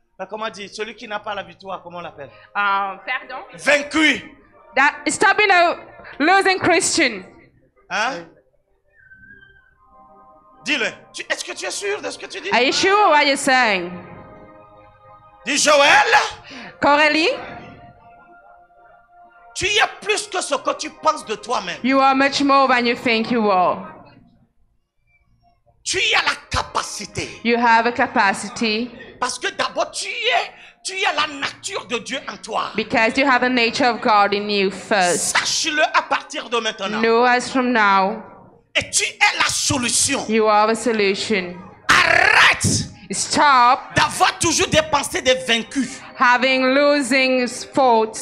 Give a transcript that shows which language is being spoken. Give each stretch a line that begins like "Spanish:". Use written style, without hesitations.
French: Comment dire, celui qui n'a pas la victoire, comment on l'appelle? Pardon? Vaincu.
English: That stop being a losing Christian.
French: Hein? Dis-le. Est-ce que tu es sûr de ce que tu dis?
English: Are you sure what you're saying?
French: Dis Joël. Coralie. Tu es plus que ce que tu penses de toi-même.
English: You are much more than you think you are.
French: Tu as la capacité.
English: You have a capacity.
French: Parce que d'abord tu es la nature de Dieu en toi.
English: Because you have a nature of God in you first.
French: Sache-le à partir de maintenant.
English: Know as from now.
French: Et tu es la solution.
English: You are the solution.
French: Arrête.
English: Stop.
French: D'avoir toujours des pensées de vaincu.
English: Having losing thoughts.